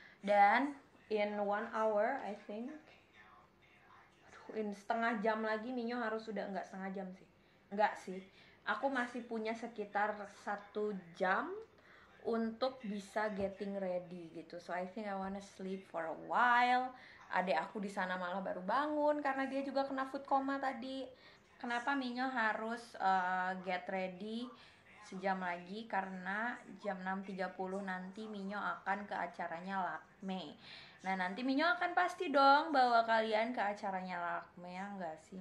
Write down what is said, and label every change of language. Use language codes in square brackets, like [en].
[id] Dan [en] in 1 hour, I think, [id] in setengah jam lagi Minyo harus sudah, enggak setengah jam sih, enggak sih, aku masih punya sekitar 1 jam untuk bisa [en] getting ready [id] gitu. [en] So I think I wanna sleep for a while. [id] Adek aku di sana malah baru bangun karena dia juga kena food coma tadi. Kenapa Minyo harus [en] get ready [id] sejam lagi, karena jam 6.30 nanti Minyo akan ke acaranya Lakme. Nah, nanti Minyo akan pasti dong bawa kalian ke acaranya Lakme, ya enggak sih?